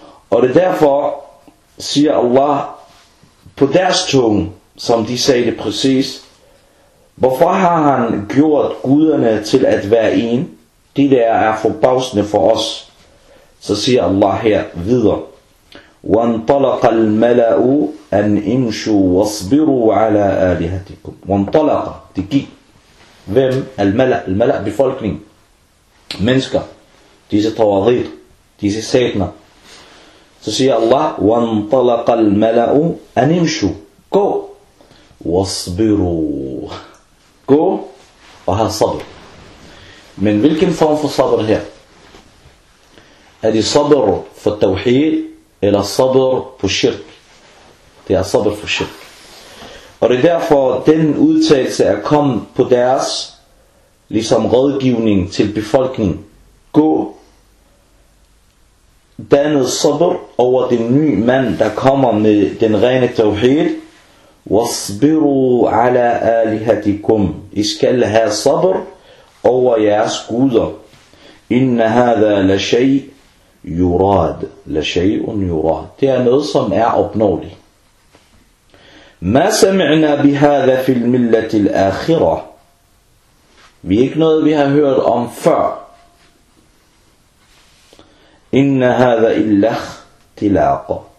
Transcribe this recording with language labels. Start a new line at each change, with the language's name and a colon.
Danish: Og det derfor siger Allah på deres tunge, som de sagde det præcis, hvorfor har han gjort guderne til at være en? De der er forbavsende for os. Så siger Allah her videre.
Arabic: وَانْطَلَقَ الْمَلَأُ أَنْ إِمْشُوا وَاصْبِرُوا عَلَىٰ آلِهَتِكُمْ.
Danish: وَانْطَلَقَ, det gik. Hvem?
Arabic: الْمَلَأُ, الْمَلَأُ, befolkning.
Danish: Mennesker. Disse tawadid. Disse satner. Så siger Allah,
Arabic: وَانْطَلَقَ الْمَلَأُ أَنْ إِمْشُوا.
Danish: Gå. وَاصْبِرُوا. Gå og have sabr. Men hvilken form for sabr her? Er det sabr for tawhid eller sabr på shirk? Det er sabr for shirk. Og det er derfor, den udtalelse er kommet på deres ligesom rådgivning til befolkningen. Gå. Dannet sabr over den nye mand, der kommer med den rene tawhid.
Arabic: وَاصْبِرُوا عَلَىٰ آلِهَتِكُمْ.
Danish: I skal have sabr over jeres guder.
Arabic: إِنَّ هَذَا لَشَيْءٌ يُرَادٌ. لَشَيْءٌ يُرَادٌ.
Danish: Det er noget, som er opnåeligt.
Arabic: مَا سَمِعْنَا بِهَذَا فِي الْمِلَّةِ الْآخِرَةِ.
Danish: Vi er ikke noget, vi har hørt om før.
Arabic: إِنَّ هَذَا إِلَّا اخْتِلَاقٌ.